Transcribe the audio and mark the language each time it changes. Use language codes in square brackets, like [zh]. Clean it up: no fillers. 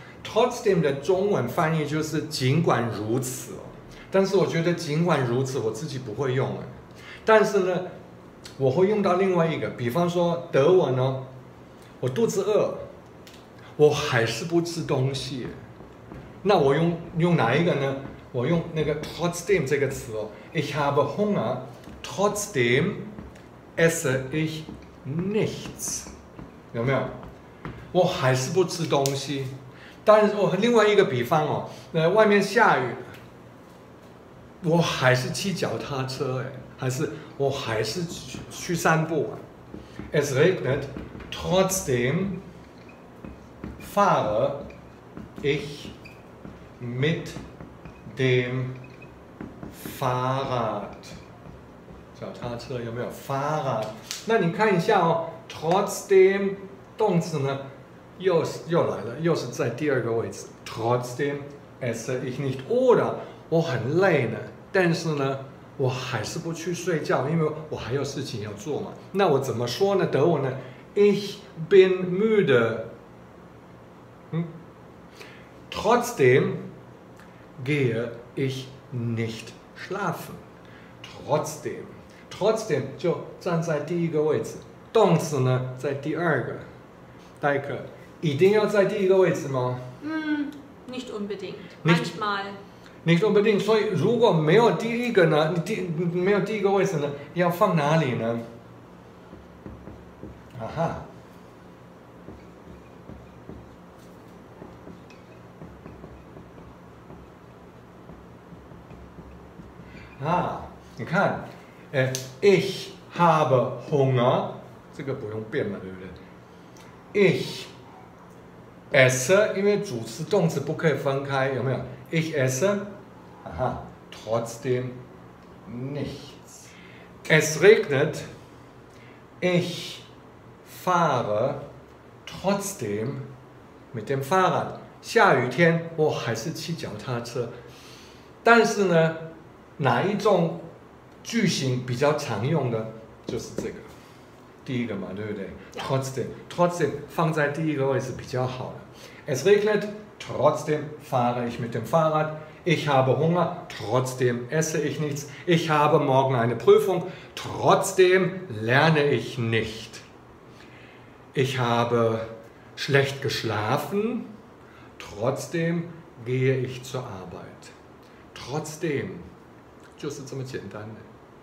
[zh] trotzdem 的中文翻译就是尽管如此，但是我觉得尽管如此我自己不会用，但是呢，我会用到另外一个，比方说德文呢，我肚子饿，我还是不吃东西，那我 用哪一个呢？我用那个 trotzdem 这个词哦， [de] ich habe Hunger, trotzdem esse ich nichts, [zh] 有没有？我还是不吃东西。但是我另外一个比方哦，外面下雨，我还是骑脚踏车，还是我还是 去散步啊。 [de] Es regnet, trotzdem fahre ich mit dem Fahrrad, [zh] 脚踏车有没有 [de] Fahrrad? [zh] 那你看一下哦， trotzdem 动词呢？又来了，又是在第二个位置。 [de] Trotzdem esse ich nicht. [zh] Oder 我很累呢，但是呢，我还是不去睡觉，因为我还有事情要做嘛。那我怎么说呢？德文呢 [de] ？Ich bin müde. Trotzdem gehe ich nicht schlafen. [zh] Trotzdem 就站在第一个位置，动词呢在第二个。 [de] Daike。 [zh] 一定要在第一个位置吗？嗯 [de] ，nicht unbedingt. Manchmal. Nicht unbedingt. [zh] 所以如果没有第一个呢，没有第一个位置呢，要放哪里呢？啊哈。啊，你看， [de] ich habe Hunger. [zh] 这个不用变嘛，对不对 ？ [de] Ich esse, [zh] 因为主词动词不可以分开，有没有 ？ [de] Ich esse, aha, trotzdem nichts. Es regnet, ich fahre trotzdem mit dem Fahrrad. [zh] 下雨天，我还是骑脚踏车。但是呢，哪一种句型比较常用的？就是这个，第一个嘛，对不对 ？Trotzdem 放在第一个位置比较好的。 [de] Es regnet, trotzdem fahre ich mit dem Fahrrad. Ich habe Hunger, trotzdem esse ich nichts. Ich habe morgen eine Prüfung, trotzdem lerne ich nicht. Ich habe schlecht geschlafen, trotzdem gehe ich zur Arbeit. Trotzdem, [en] just so simple.